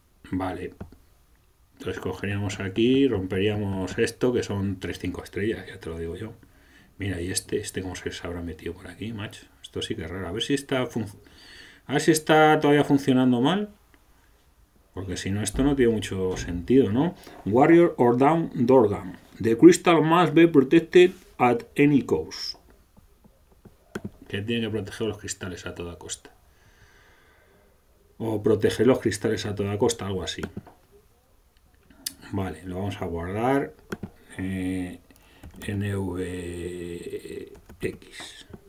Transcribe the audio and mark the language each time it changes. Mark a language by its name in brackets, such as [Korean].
[Spanish] Vale. Entonces cogeríamos aquí, romperíamos esto, que son 3 5 estrellas, ya te lo digo yo. Mira, y este cómo se habrá metido por aquí, macho. Esto sí que es raro. A ver si está todavía funcionando mal. Porque si no, esto no tiene mucho sentido, ¿no? [English] Warrior or Down Dorgan. The crystal must be protected at any cost. [Spanish] Que tiene que proteger los cristales a toda costa. O proteger los cristales a toda costa, algo así. Vale, lo vamos a guardar. NVX.